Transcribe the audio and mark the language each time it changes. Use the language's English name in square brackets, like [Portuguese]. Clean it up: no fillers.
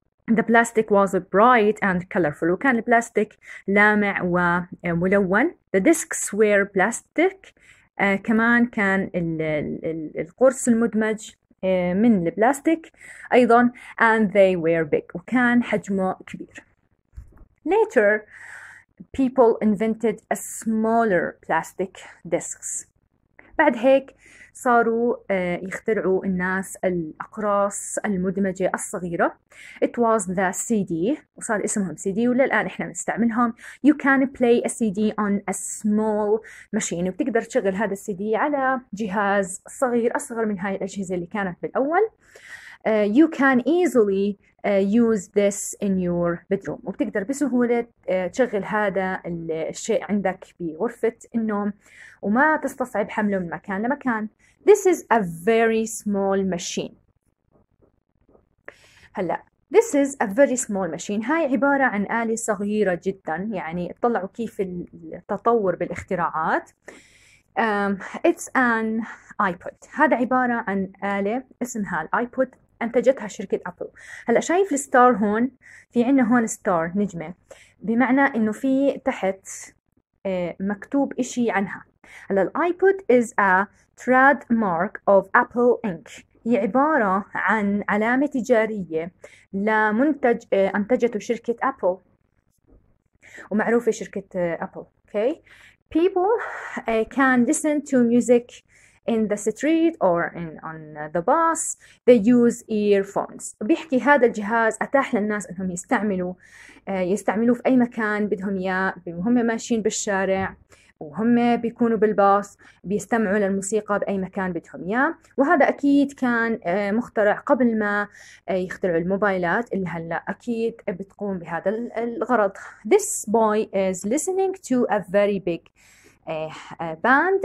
[English] The plastic was bright and colorful. [Arabic] وكان البلاستيك لامع وملون. [English] The discs were plastic. [Arabic] كمان كان القرص المدمج من البلاستيك أيضا. [English] And they were big. [Arabic] وكان حجمه كبير. [English] Later, people invented a smaller plastic discs. [Arabic] بعد هيك صاروا يخترعوا الناس الأقراص المدمجة الصغيرة. [English] It was the CD [Arabic] وصار اسمهم CD وللآن إحنا نستعملهم. [English] You can play a CD on a small machine. [Arabic] وبتقدر تشغل هذا CD على جهاز صغير أصغر من هاي الأجهزة اللي كانت بالأول. [English] You can easily use this in your bedroom. [Arabic] وبتقدر بسهولة تشغل هذا الشيء عندك بغرفة النوم وما تستصعب حمله من مكان لمكان. [English] This is a very small machine. هلا this is a very small machine. [Arabic] هاي عبارة عن آلة صغيرة جدا. يعني اطلعوا كيف التطور بالاختراعات. [English] It's an iPod. [Arabic] هذا عبارة عن آلة اسمها الآيبود. أنتجتها شركة أبل. هلأ شايف الستار هون؟ في عنا هون ستار نجمة بمعنى إنه في تحت مكتوب إشي عنها. [English] هلأ الآيبود is a trademark of Apple Inc. [Arabic] هي عبارة عن علامة تجارية لمنتج أنتجته شركة أبل ومعروفة شركة أبل. [English] Okay. People can listen to music in the street or in on the bus. They use earphones. [Arabic] بيحكي هذا الجهاز أتاح للناس أنهم يستعملوا في أي مكان بدهم إياه. هم ماشيين بالشارع وهم بيكونوا بالباص بيستمعوا للموسيقى بأي مكان بدهم إياه. وهذا أكيد كان مخترع قبل ما يخترعوا الموبايلات اللي هلا أكيد بتقوم بهذا الغرض. [English] This boy is listening to a very big band.